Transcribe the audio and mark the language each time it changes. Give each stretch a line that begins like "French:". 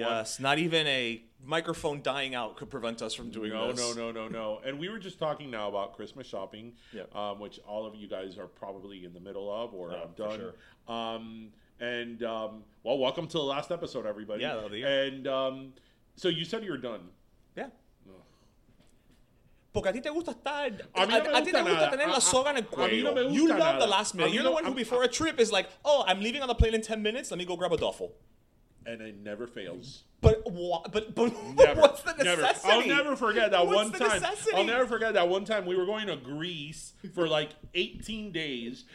English: Yes, not even a microphone dying out could prevent us from doing this. No. And we were just talking now about Christmas shopping, which all of you guys are probably in the middle of or have done. For sure. Well, welcome to the last episode, everybody. Yeah, that'll be good. And so you said you're done. Yeah.
Spanish: Porque a ti te gusta estar, a ti te gusta tener la soga en el cuello.
English: You love the last minute. You're the one who before a trip is like, oh, I'm leaving on the plane in 10 minutes. Let me go grab a duffel. And it never fails. But what's the necessity? I'll never forget that one time. I'll never forget that one time we were going to Greece for like 18 days.